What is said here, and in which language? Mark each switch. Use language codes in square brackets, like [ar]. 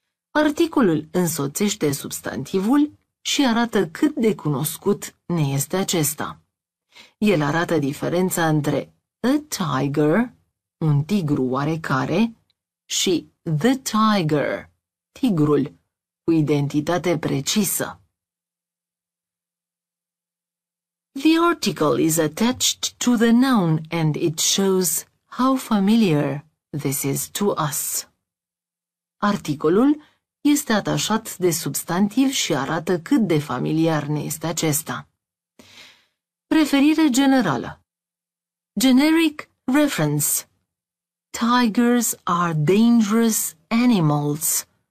[ro] Articolul însoțește substantivul și arată cât de cunoscut ne este acesta. El arată diferența între [en] a tiger, [ro] un tigru oarecare, și [en] the tiger, [ro] tigrul, cu identitate precisă. [en] The article is attached to the noun and it shows how familiar this is to us. [ro] Articolul este atașat de substantiv și arată cât de familiar ne este acesta. Referire generală. [en] Generic reference. Tigers are dangerous animals.